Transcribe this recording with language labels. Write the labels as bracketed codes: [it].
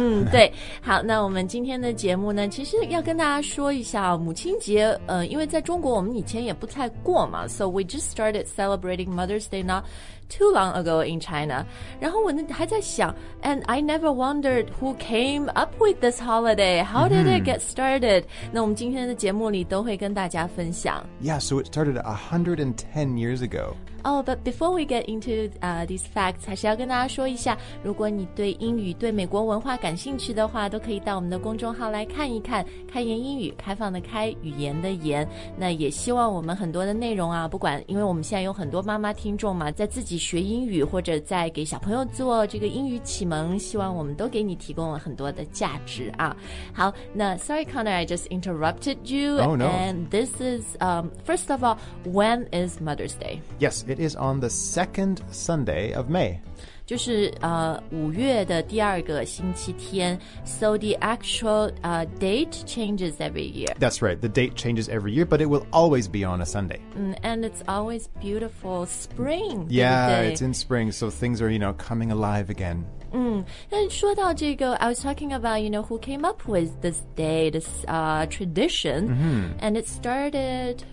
[zh] 对，好，那我们今天的节目呢，其实要跟大家说一下母亲节，因为在中国我们以前也不太过嘛， [en] so we just started celebrating Mother's Day not too long ago in China. [zh] 然后我还在想 [en] and I never wondered who came up with this holiday. How did it get started? [zh] 那我们今天的节目里都会跟大家分享。 [en] Yeah, so it started 110 years ago. Oh, but before we get into these facts, [zh] 还是要跟大家说一下，如果你对英语、对美国文化感兴趣的话，都可以到我们的公众号来看一看，开言英语，开放的开，语言的言。那也希望我们很多的内容啊，不管，因为我们现在有很多妈妈听众嘛，在自己学英语或者在给小朋友做这个英语启蒙，希望我们都给你提供了很多的价值啊。好，那 [en] sorry Connor, I just interrupted you. Oh no. And this is, first of all, when is Mother's Day? Yes, it is on the second Sunday of May. [zh] 就是五月的第二个星期天。 [en] So the actual date changes every year. That's right. The date changes every year, but it will always be on a Sunday. And it's always beautiful spring. Yeah, it's in spring. So things are, you know, coming alive again. And [zh] 说到这个 [en] I was talking about, you know, who came up with this day, this tradition,、and it started...